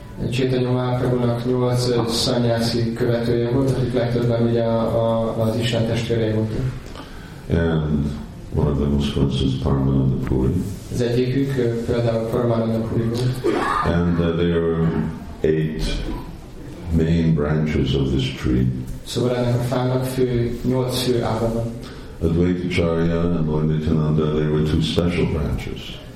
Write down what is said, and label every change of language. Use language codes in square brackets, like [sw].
[hu] Chaitanya Mahaprabhu-nak 8 szanyászi követője volt, akik legtöbben ugye az Isten testvérei voltak. [en] And one of them was, for instance, Paramananda Puri. [hu] Az egyikük például Paramananda Puri volt. [en] And there are 8 main branches of this tree. [hu] Szóval ennek a fának 8 fő ága van. [en] Advaitacharya and Lord Nityananda, they were 2 special branches.